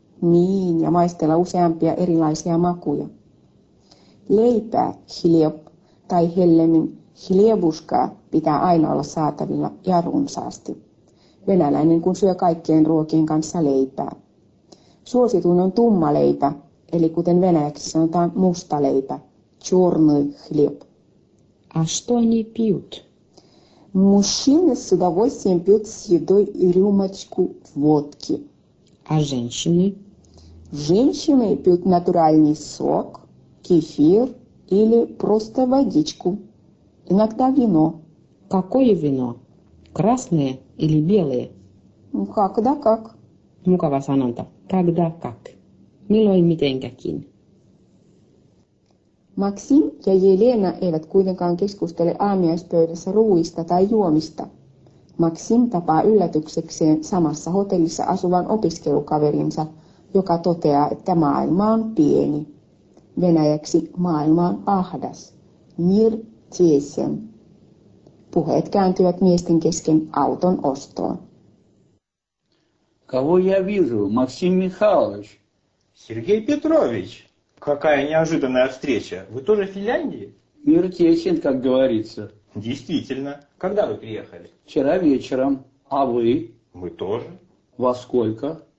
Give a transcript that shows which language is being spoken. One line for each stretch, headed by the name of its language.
Finnish: Niin, ja maistella useampia erilaisia makuja. Leipää, hiljop, tai hellemmin, hiljobuskaa, pitää aina olla saatavilla ja runsaasti. Venäläinen kun syö kaikkien ruokien kanssa leipää. Suosituin on tumma leipä, eli kuten venäjäksi sanotaan musta leipä, черный хлеб.
Russian: А что они пьют? Мужчины с удовольствием пьют с едой и рюмочку водки. А женщины? Женщины пьют натуральный сок, кефир или просто водичку. Иногда вино. Какое вино? Красное или белое? Когда как.
Finnish: Mukava sanonta. Когда как. Milloin mitenkäkin. Максим ja Елена eivät kuitenkaan keskustele aamiaispöydässä ruuista tai juomista. Максим tapaa yllätyksekseen samassa hotellissa asuvan opiskelukaverinsa, joka toteaa, että maailma on pieni. Venäjäksi maailma on ahdas. Mir tesen. Puheet kääntyvät miesten kesken auton ostoon.
Russian: Кого я вижу, Максим Михайлович? Сергей Петрович, какая неожиданная встреча. Вы тоже в Финляндии? Мир тесен, как говорится. Действительно. Когда вы приехали? Вчера вечером. А вы? Мы тоже. Во сколько?